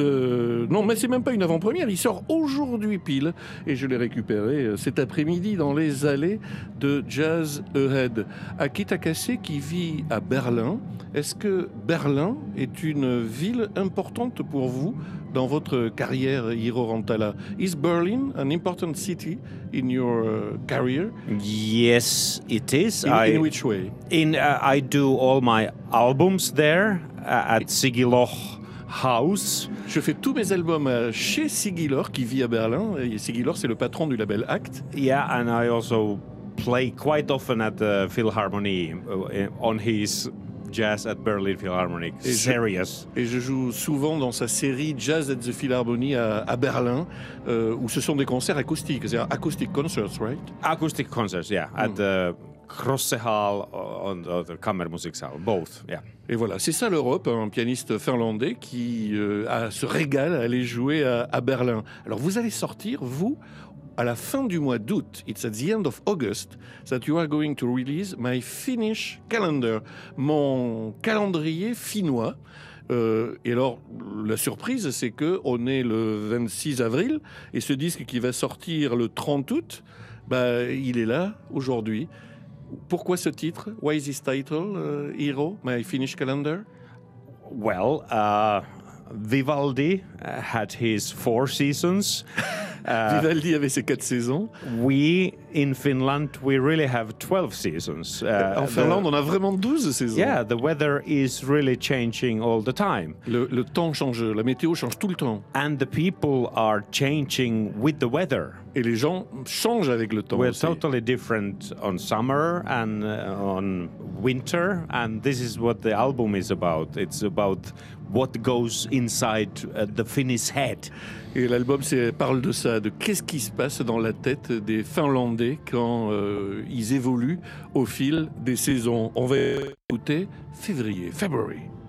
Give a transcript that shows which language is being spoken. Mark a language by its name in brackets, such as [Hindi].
[French] non mais c'est même pas une avant-première, il sort aujourd'hui pile. Et je l'ai récupéré cet après-midi dans les allées de Jazz Ahead. Aki Takase qui vit à Berlin. Est-ce que Berlin est une ville importante pour vous dans votre carrière, Hiro Rantala? [English] Is Berlin an important city in your career? Yes, it is. In which way? I do all my albums there at Sigi Loch House. [French] Je fais tous mes albums chez Sigi Loch, qui vit à Berlin. Sigi Loch, c'est le patron du label Act. [English] Yeah, and I also play quite often at the Philharmonie, on his Jazz at Berlin Philharmonic. Serious. [French] Et je joue souvent dans sa série Jazz at the Philharmonie à Berlin, où ce sont des concerts acoustiques, c'est-à-dire [English] acoustic concerts, right? Acoustic concerts, yeah. Mm. At the Grosse Hall on the Kammermusikhall, both, yeah. [French] Et voilà, c'est ça l'Europe, un pianiste finlandais qui se régale à aller jouer à Berlin. Alors vous allez sortir, vous, à la fin du mois d'août, [English] it's at the end of August, that you are going to release [French] my Finnish calendar, mon calendrier finnois. Et alors, la surprise, c'est qu'on est le 26 avril, et ce disque qui va sortir le 30 août, bah, il est là aujourd'hui. Pourquoi ce titre? [English] Why is this title, Hiro, my Finnish calendar? Well, Vivaldi had his four seasons. [French] Vivaldi avait ses quatre saisons. [English] We, in Finland, we really have 12 seasons. [French] En Finlande, on a vraiment 12 saisons. [English] Yeah, the weather is really changing all the time. [French] Le temps change, la météo change tout le temps. [English] And the people are changing with the weather. [French] Et les gens changent avec le temps. [English] We're [French] aussi [English] totally different on summer and on winter. And this is what the album is about. It's about what goes inside the Finnish head. [French] Et l'album parle de ça, de qu'est-ce qui se passe dans la tête des Finlandais quand ils évoluent au fil des saisons. On va écouter février. February.